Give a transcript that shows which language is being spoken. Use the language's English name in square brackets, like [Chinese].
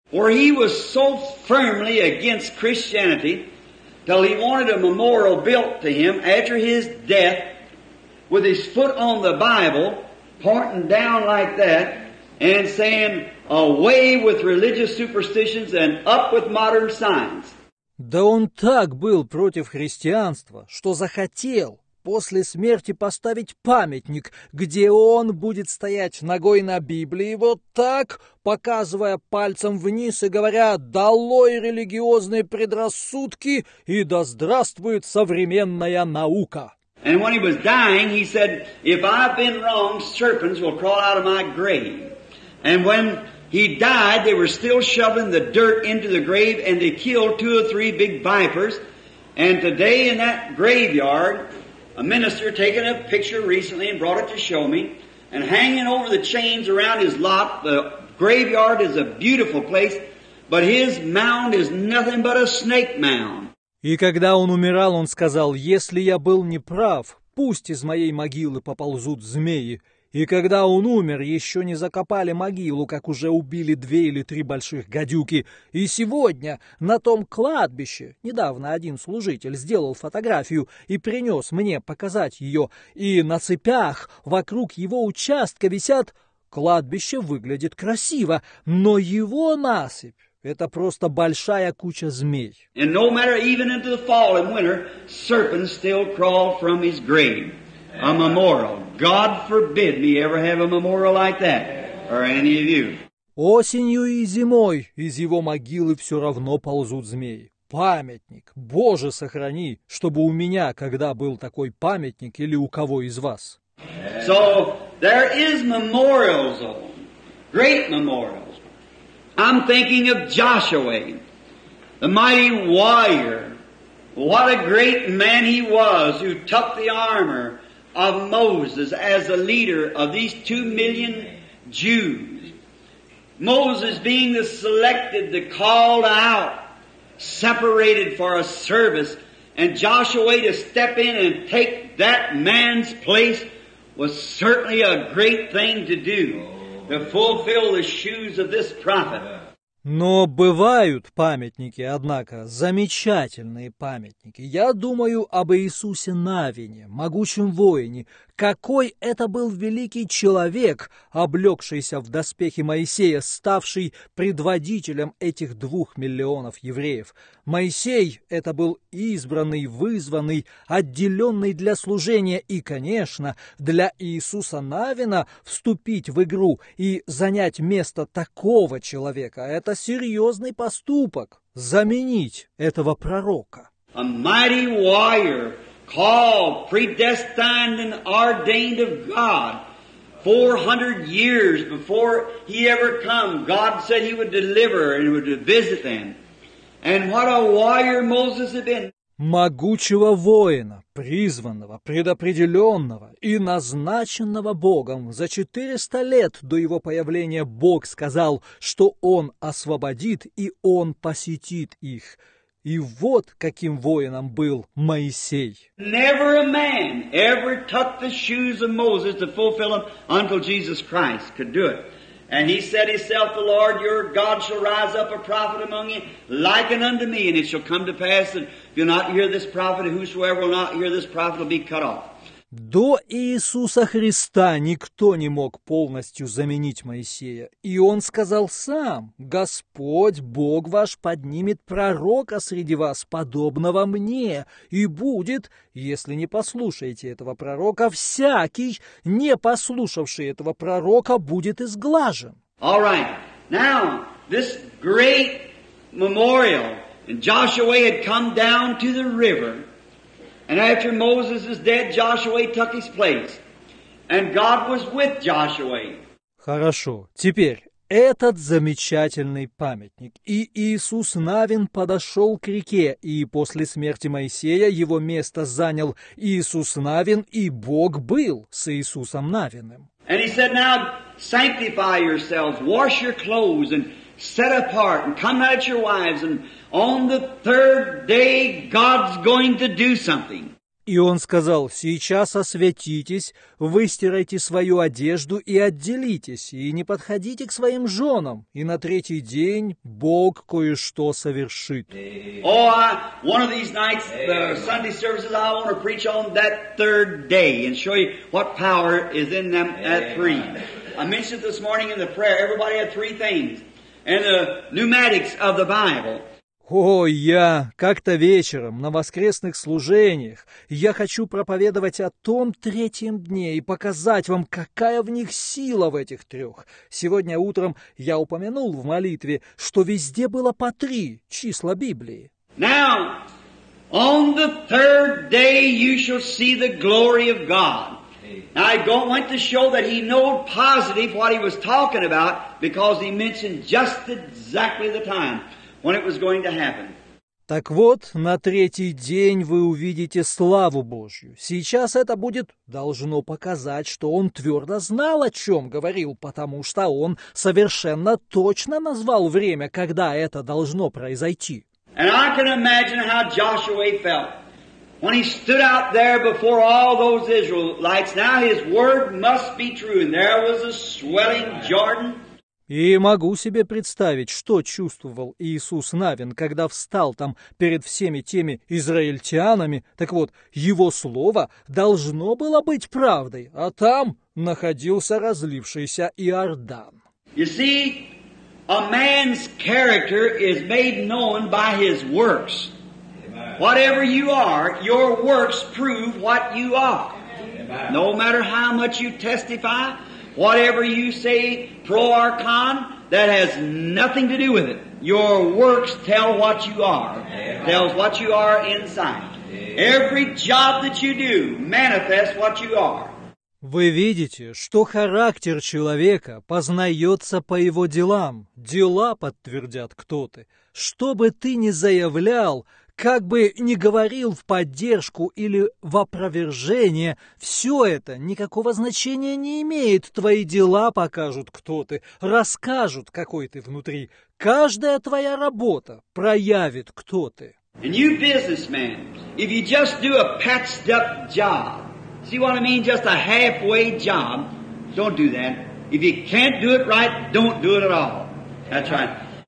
[English] Where he was so firmly against Christianity till he wanted a memorial built to him after his death with his foot on the Bible, pointing down like that and saying, away with religious superstitions and up with modern science. [Russian] Да он так был против христианства, что захотел после смерти поставить памятник, где он будет стоять ногой на Библии вот так, показывая пальцем вниз и говоря «Долой религиозные предрассудки и да здравствует современная наука!» [English] And when he was dying, he said, if I've been wrong, serpents will crawl out of my grave. And when he died, they were still shoving the dirt into the grave, and they killed two or three big vipers. And today in that graveyard, a minister taken a picture recently and brought it to show me, and hanging over the chains around his lot, the graveyard is a beautiful place, but his mound is nothing but a snake mound. [Russian] И когда он умирал, он сказал, если я был неправ, пусть из моей могилы поползут змеи. И когда он умер, еще не закопали могилу, как уже убили две или три больших гадюки. И сегодня на том кладбище, недавно один служитель сделал фотографию и принес мне показать ее, и на цепях вокруг его участка висят, кладбище выглядит красиво, но его насыпь — это просто большая куча змей. [English] And no matter even into the fall and winter, serpents still crawl from his grave. A memorial. God forbid me ever have a memorial like that, or any of you. [Russian] Осенью и зимой из его могилы все равно ползут змеи. Памятник. Боже, сохрани, чтобы у меня, когда был такой памятник, или у кого из вас. [English] So, there is memorials, great memorials. I'm thinking of Joshua, the mighty warrior. What a great man he was who took the armor of Moses as the leader of these 2 million Jews. Moses being the selected, the called out, separated for a service, and Joshua to step in and take that man's place was certainly a great thing to do, to fulfill the shoes of this prophet. [Russian] Но бывают памятники, однако, замечательные памятники. Я думаю об Иисусе Навине, могучем воине. Какой это был великий человек, облекшийся в доспехи Моисея, ставший предводителем этих 2 миллионов евреев. Моисей – это был избранный, вызванный, отделенный для служения. И, конечно, для Иисуса Навина вступить в игру и занять место такого человека – это серьезный поступок – заменить этого пророка. [English] A mighty warrior. Called, predestined, and ordained of God. 400 years before he ever come, God said he would deliver and would visit them. And what a warrior Moses had been. [Russian] Могучего воина, призванного, предопределенного и назначенного Богом. За 400 лет до его появления Бог сказал, что он освободит и он посетит их. И вот каким воином был Моисей. [English] Never a man ever took the shoes of Moses to fulfill them until Jesus Christ could do it. And he said himself, the Lord your God shall rise up a prophet among you, liken unto me, and it shall come to pass that if you'll not hear this prophet, whosoever will not hear this prophet will be cut off. [Russian] До Иисуса Христа никто не мог полностью заменить Моисея. И он сказал сам, «Господь, Бог ваш, поднимет пророка среди вас, подобного мне, и будет, если не послушаете этого пророка, всякий, не послушавший этого пророка, будет изглажен». [English] All right. Now, this great memorial, and Joshua had come down to the river. And after Moses is dead, Joshua took his place. And God was with Joshua. [Russian] Хорошо. Теперь этот замечательный памятник. И Иисус Навин подошел к реке, и после смерти Моисея его место занял Иисус Навин, и Бог был с Иисусом Навиным. [English] And he said, now sanctify yourselves, wash your clothes, and set apart, and come out your wives, and on the third day God's going to do something. [Russian] И он сказал, сейчас осветитесь, выстирайте свою одежду и отделитесь, и не подходите к своим женам, и на третий день Бог кое-что совершит. [English] Oh, one of these nights, the Sunday services, I want to preach on that third day and show you what power is in them at three. I mentioned this morning in the prayer, everybody had three things. And the pneumatics of the Bible. [Russian] О, я как-то вечером на воскресных служениях, я хочу проповедовать о том третьем дне и показать вам, какая в них сила в этих трех. Сегодня утром я упомянул в молитве, что везде было по три числа Библии. [English] Now, on the third day you shall see the glory of God. Now I don't want to show that he knew positive what he was talking about because he mentioned just exactly the time when it was going to happen. [Russian] Так вот, на третий день вы увидите славу Божью. Сейчас это будет должно показать, что он твердо знал, о чем говорил, потому что он совершенно точно назвал время, когда это должно произойти. [English] And I can imagine how Joshua felt. When he stood out there before all those Israelites, now his word must be true, and there was a swelling Jordan. [Russian] И могу себе представить, что чувствовал Иисус Навин, когда встал там перед всеми теми израильтянами. Так вот, его слово должно было быть правдой, а там находился разлившийся Иордан. [English] You see, a man's character is made known by his works. Whatever you are, your works prove what you are. No matter how much you testify, whatever you say, pro or con, that has nothing to do with it. Your works tell what you are. Tells what you are inside. Every job that you do manifests what you are. [Russian] Вы видите, что характер человека познается по его делам. Дела подтвердят, кто ты. Что бы ты ни заявлял, как бы ни говорил в поддержку или в опровержение, все это никакого значения не имеет. Твои дела покажут, кто ты, расскажут, какой ты внутри. Каждая твоя работа проявит, кто ты. [English] And you businessman, if you just do a patched up job, see what I mean, just a halfway job, don't do that. If you can't do it right, don't do it at all. That's right.